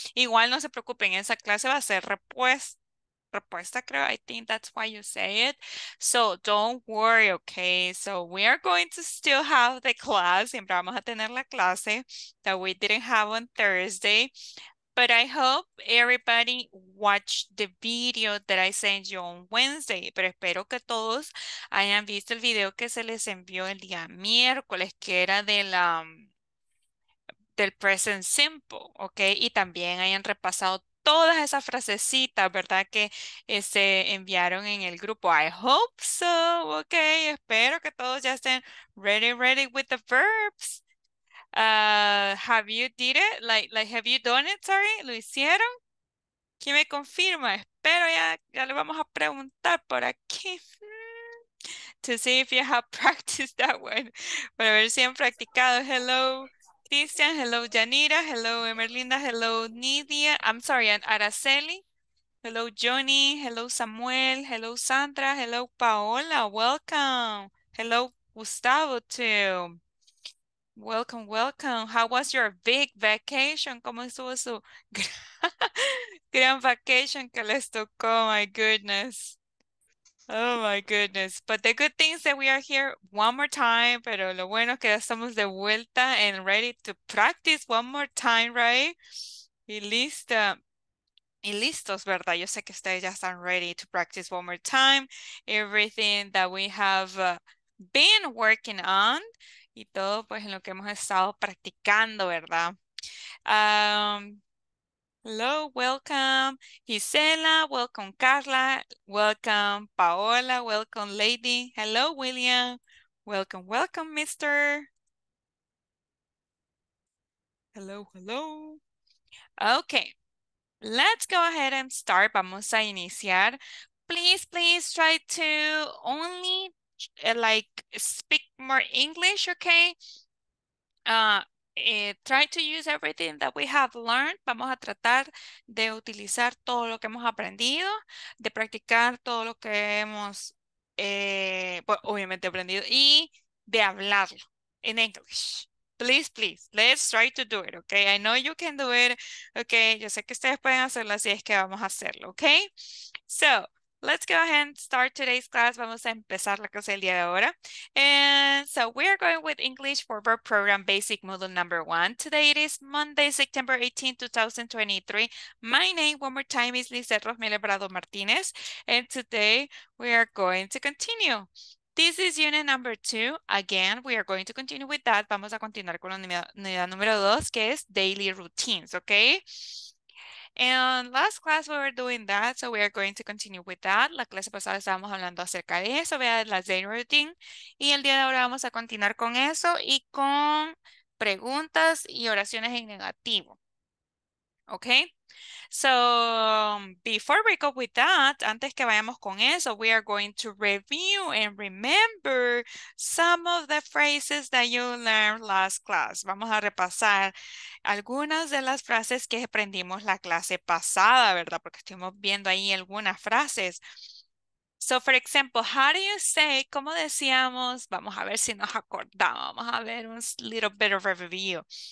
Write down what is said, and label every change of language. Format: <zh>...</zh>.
<es>Igual no se preocupen, esa clase va a ser repuesta, creo.</es> <en>I think that's why you say it. So don't worry, okay? So we are going to still have the class.</en> <es>Siempre vamos a tener la clase</es> <en>that we didn't have on Thursday. But I hope everybody watched the video that I sent you on Wednesday.</en> <es>Pero espero que todos hayan visto el video que se les envió el día miércoles, que era del</es> <en>present simple,</en> <es>¿ok? Y también hayan repasado todas esas frasecitas, ¿verdad? Que se enviaron en el grupo.</es> <en>I hope so,</en> <es>¿ok? Espero que todos ya estén</es> <en>ready with the verbs. Have you did it? Like, have you done it? Sorry,</en> <es>¿lo hicieron? ¿Quién me confirma? Espero ya le vamos a preguntar por aquí.</es> <en>To see if you have practiced that one.</en> <es>Para ver si han practicado.</es> <en>Hello, Christian. Hello, Yanira. Hello, Emerlinda. Hello, Nidia. I'm sorry, and Araceli. Hello, Johnny. Hello, Samuel. Hello, Sandra. Hello, Paola. Welcome. Hello, Gustavo, too. Welcome, welcome. How was your big vacation?</en> <es>¿Cómo estuvo su gran vacation que les tocó?</es> <en>My goodness. Oh my goodness. But the good thing is that we are here one more time.</en> <es>Pero lo bueno es que ya estamos de vuelta</es> <en>and ready to practice one more time, right?</en> <es>Y lista. Y listos, ¿verdad? Yo sé que ustedes ya están</es> <en>ready to practice one more time. Everything that we have been working on.</en> <es>Y todo pues en lo que hemos estado practicando, ¿verdad?</es> <en>Hello, welcome. Gisela, welcome. Carla, welcome. Paola, welcome. Lady, hello, William. Welcome, welcome, mister. Hello, hello. Okay, let's go ahead and start.</en> <es>Vamos a iniciar.</es> <en>Please, please try to only. Like speak more English, okay? Try to use everything that we have learned.</en> <es>Vamos a tratar de utilizar todo lo que hemos aprendido, de practicar todo lo que hemos, pues, obviamente aprendido y de hablarlo en English.</es> <en>Please, please, let's try to do it, okay? I know you can do it, okay?</en> <es>Yo sé que ustedes pueden hacerlo, así es que vamos a hacerlo, okay?</es> <en>So, let's go ahead and start today's class.</en> <es>Vamos a empezar la clase del día de ahora.</es> <en>And so we are going with English for Verb Program Basic Module Number 1. Today it is Monday, September 18, 2023. My name, one more time, is Lizeth Rosmele Brado Martinez. And today we are going to continue. This is unit number 2. Again, we are going to continue with that.</en> <es>Vamos a continuar con la unidad número 2, que es Daily Routines, ¿ok?</es> <en>And last class we were doing that, so we are going to continue with that.</en> <es>La clase pasada estábamos hablando acerca de eso, vea, la daily routine. Y el día de ahora vamos a continuar con eso y con preguntas y oraciones en negativo.</es> <en>Okay? So, before we go with that,</en> <es>antes que vayamos con eso,</es> <en>we are going to review and remember some of the phrases that you learned last class.</en> <es>Vamos a repasar algunas de las frases que aprendimos la clase pasada, ¿verdad? Porque estuvimos viendo ahí algunas frases.</es> <en>So, for example, how do you say,</en> <es>¿cómo decíamos? Vamos a ver si nos acordamos. Vamos a ver un</es> <en>little bit of review.</en>